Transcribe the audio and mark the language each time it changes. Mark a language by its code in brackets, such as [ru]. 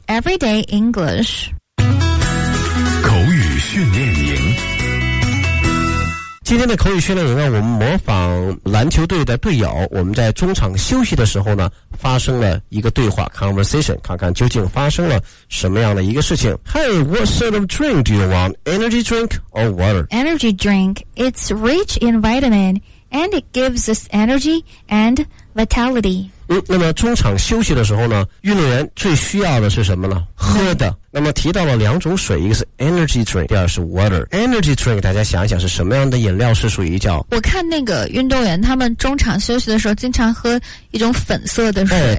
[en] Everyday English。 [zh] 口语训练营，今天的口语训练营呢，我们模仿篮球队的队友，我们在中场休息的时候呢发生了一个对话 conversation， 看看究竟发生了什么样的一个事情。 [en] Hey, what sort of drink do you want? Energy drink or water? Energy drink. It's rich in vitamin and it gives us energy and vitality. [zh] 那么中场休息的时候呢，运动员最需要的是什么呢？喝的。那么提到了两种水，一个是 energy drink， 第二是 water。 energy drink 大家想一想是什么样的饮料，是属于叫，我看那个运动员他们中场休息的时候经常喝一种粉色的水，